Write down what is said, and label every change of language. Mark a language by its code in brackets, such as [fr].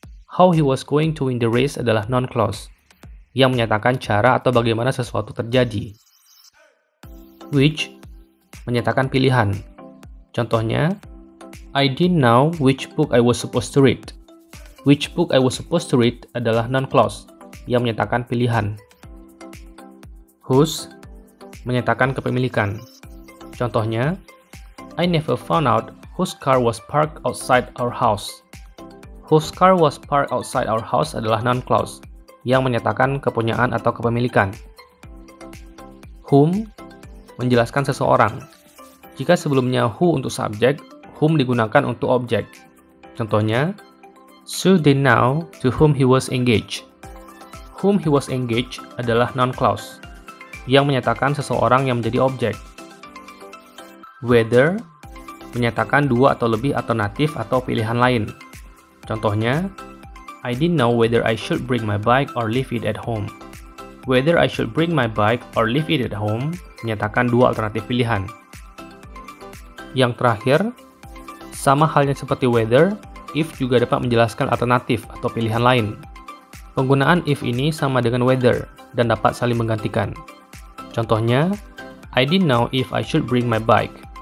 [en] How he was going to win the race [id] adalah noun clause, yang menyatakan cara atau bagaimana sesuatu terjadi. Which, menyatakan pilihan. [en] Contohnya, I didn't know which book I was supposed to read. Which book I was supposed to read [id] adalah noun clause, yang menyatakan pilihan. [en] Whose, [id] menyatakan kepemilikan. Contohnya, [en] I never found out whose car was parked outside our house. Whose car was parked outside our house [id] adalah noun clause, yang menyatakan kepunyaan atau kepemilikan. Whom, menjelaskan seseorang. Jika sebelumnya who untuk subject, whom digunakan untuk object. [en] Contohnya, Sue didn't know to whom he was engaged. Whom he was engaged [id] adalah noun clause, yang menyatakan seseorang yang menjadi object. Whether, menyatakan dua atau lebih alternatif atau pilihan lain. [en] Contohnya, I didn't know whether I should bring my bike or leave it at home. Whether I should bring my bike or leave it at home, [id] menyatakan dua alternatif pilihan. Yang terakhir, Sama halnya seperti whether, if juga dapat menjelaskan alternatif atau pilihan lain. Penggunaan if ini sama dengan whether dan dapat saling menggantikan. [en] Contohnya, I didn't know if I should bring my bike.